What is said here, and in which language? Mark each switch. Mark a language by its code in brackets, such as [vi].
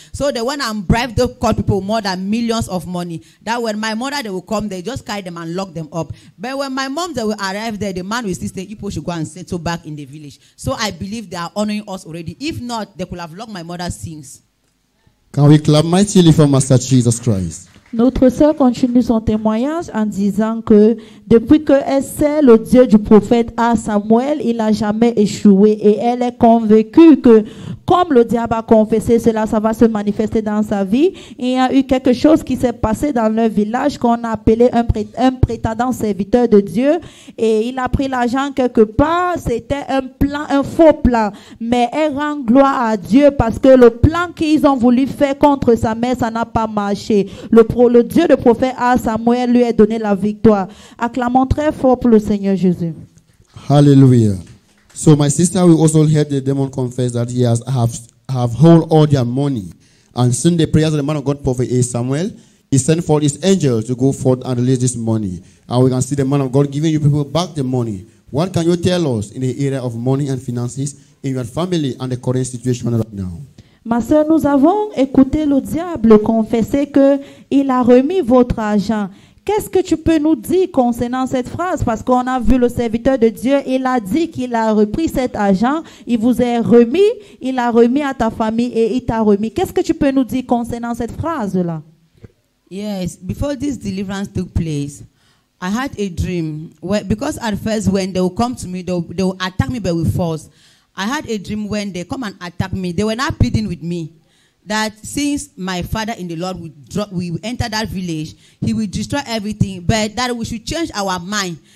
[en] So the one and bribe the court people more than millions of money, that when my mother, they will come, they just carry them and lock them up. But when my mom, they will arrive there, the man will still say, people should go and settle back in the village. So I believe they are honoring us already. If not, they could have locked my mother's things. Can we clap mightily for Master Jesus Christ? [fr] Notre sœur continue son témoignage en disant que depuis que elle sert le Dieu du prophète à Samuel, il n'a jamais échoué et elle est convaincue que comme le diable a confessé cela, ça va se manifester dans sa vie. Il y a eu quelque chose qui s'est passé dans leur village qu'on a appelé un prétendant serviteur de Dieu et il a pris l'argent quelque part. C'était un plan, un faux plan, mais elle rend gloire à Dieu parce que le plan qu'ils ont voulu faire contre sa mère, ça n'a pas marché. Le Dieu de prophète à Samuel lui a donné la victoire. Acclamons très fort pour le Seigneur Jésus. Alléluia. [en] So my sister, we also heard the demon confess that he has have hold all their money. And since the prayers of the man of God, prophet A. Samuel, he sent forth his angel to go forth and release this money. And we can see the man of God giving you people back the money. What can you tell us in the area of money and finances in your family and the current situation right now? [fr] Ma sœur, nous avons écouté le diable confesser qu'il a remis votre argent. Qu'est-ce que tu peux nous dire concernant cette phrase? Parce qu'on a vu le serviteur de Dieu, il a dit qu'il a repris cet argent, il vous est remis, il a remis à ta famille et il t'a remis. Qu'est-ce que tu peux nous dire concernant cette phrase-là? [en] Yes, before this deliverance took place, I had a dream. Where, because at first when they will come to me, they will attack me but with force. I had a dream when they come and attack me. They were not pleading with me. That since my father in the Lord will drop, we enter that village, he will destroy everything, but that we should change our mind.